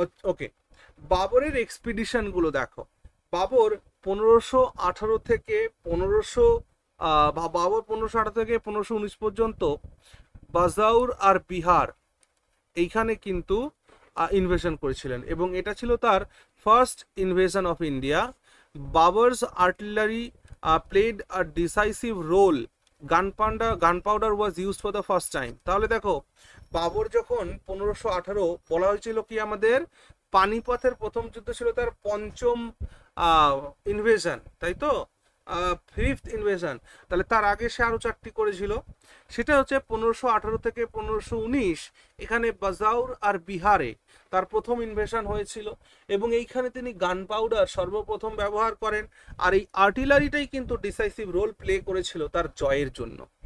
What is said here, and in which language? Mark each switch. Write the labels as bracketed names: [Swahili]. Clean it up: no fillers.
[Bangla] ওকে, বাবরের এক্সপিডিশন গুলো দেখো, বাবর 1518 থেকে 1500 বাবর 1518 থেকে 1519 পর্যন্ত বাজাউর আর বিহার এইখানে কিন্তু ইনভেশন করেছিলেন, এবং এটা ছিল তার first invasion of India. বাবর্স artillery [English] played a decisive role. Gunpowder was used for the first time. [Bangla] তাহলে দেখো বাবর যখন 1518 বলা হয়েছিল কি আমাদের পানিপথের প্রথম যুদ্ধ ছিল তার পঞ্চম ইনভেশন, তাই তো? Fifth invasion. তাহলে তার আগে সে আরো চারটি করেছিল, সেটা হচ্ছে 1518 থেকে 1519 এখানে বাজাউর আর বিহারে তার প্রথম ইনভেশন হয়েছিল এবং এইখানে তিনি গান পাউডার সর্বপ্রথম ব্যবহার করেন আর এই আর্টিলারিটাই কিন্তু ডিসাইসিভ রোল প্লে করেছিল তার জয়ের জন্য।